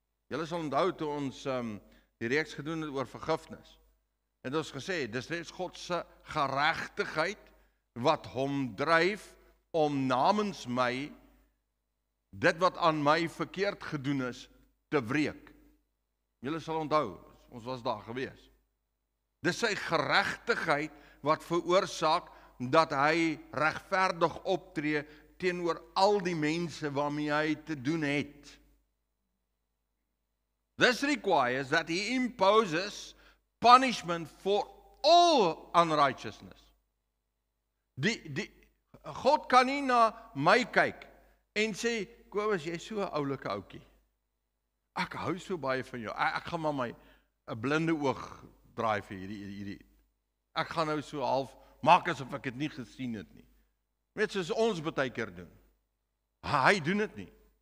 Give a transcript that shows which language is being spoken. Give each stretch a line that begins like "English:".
Afrikaans: Julle sal onthou toe ons die reeks gedoen het oor vergifnis, het ons gesê, dis reeds God se geregtigheid, wat hom drijf, om namens my, dit wat aan my verkeerd gedoen is, te breek. Julle sal onthou, ons was daar gewees. Dis sy geregtigheid, wat veroorsaak, dat hy regverdig optree, teenoor al die mense, waarmee hy te doen het.
English: This requires that he imposes punishment for all unrighteousness.
Afrikaans: Die God kan nie na my kyk en sê, Kobus, jy is so 'n oulike oukie. Ek hou so baie van jou. Ek gaan maar my 'n blinde oog draai vir hierdie. Ek gaan nou so half maak asof ek het nie gesien het nie. Net soos ons baie keer doen. Hy doen het nie.